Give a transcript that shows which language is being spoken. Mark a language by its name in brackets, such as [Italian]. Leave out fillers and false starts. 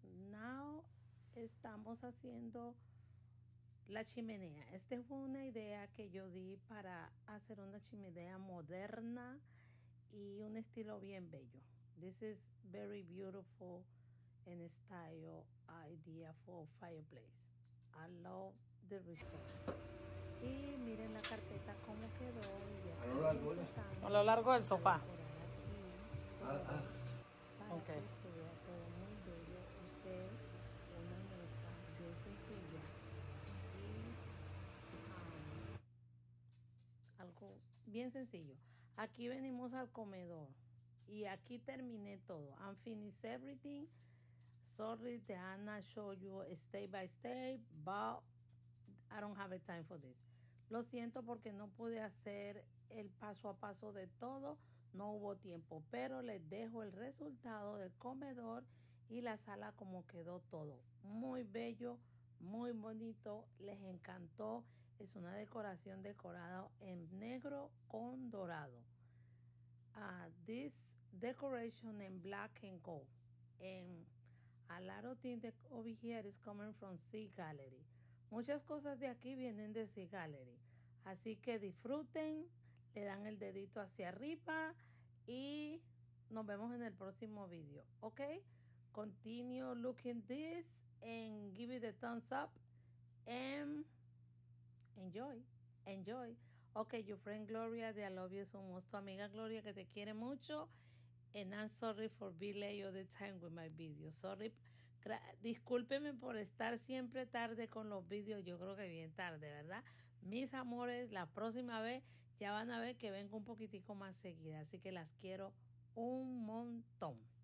[Spanish] Now estamos haciendo la chimenea. Esta fue una idea que yo di para hacer una chimenea moderna y un estilo bien bello. [English] This is very beautiful and style idea for fireplace. I love the result. [Spanish] Y miren la carpeta cómo quedó. A lo largo, del sofá. Okay. Una mesa bien sencilla y algo bien sencillo. Aquí venimos al comedor y aquí terminé todo. [English] I'm finished everything. Sorry, Diana, show you step by step, but I don't have the time for this. [Spanish] Lo siento porque no pude hacer el paso a paso de todo. No hubo tiempo, pero les dejo el resultado del comedor y la sala como quedó todo. Muy bello, muy bonito. Les encantó. Es una decoración decorada en negro con dorado. [English] This decoration in black and gold. A lot of things over here is coming from Sea Gallery. [Spanish] Muchas cosas de aquí vienen de Sea Gallery. Así que disfruten. Le dan el dedito hacia arriba. Y nos vemos en el próximo video. Ok. [English] Continue looking this and give it a thumbs up and enjoy. Enjoy. Okay, your friend Gloria, the I love you so much. [Spanish] Tu amiga Gloria que te quiere mucho. [English] And I'm sorry for being late all the time with my videos. Sorry. [Spanish] Discúlpeme por estar siempre tarde con los videos. Yo creo que bien tarde, ¿verdad? Mis amores, la próxima vez ya van a ver que vengo un poquitico más seguida. Así que las quiero un montón.